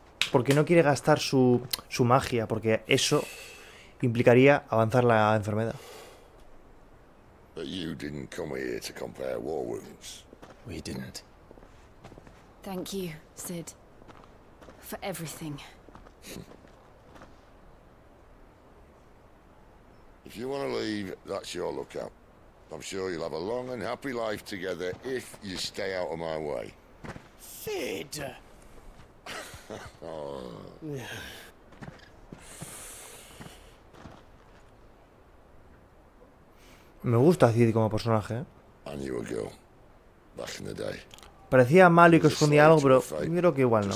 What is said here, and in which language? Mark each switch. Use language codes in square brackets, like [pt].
[es] Porque no quiere gastar su magia, porque eso implicaría avanzar la enfermedad. [en] But you didn't come here to compare war wounds. We didn't. Thank you, Cid, for everything. If you want to leave, that's your lookout. I'm sure you'll have a long and happy life together if you stay out of my way. Cid. [es] Me gusta Cid como personaje. [en] I knew a girl back in the day. [es] Parecía malo y que escondía algo, pero creo que igual no.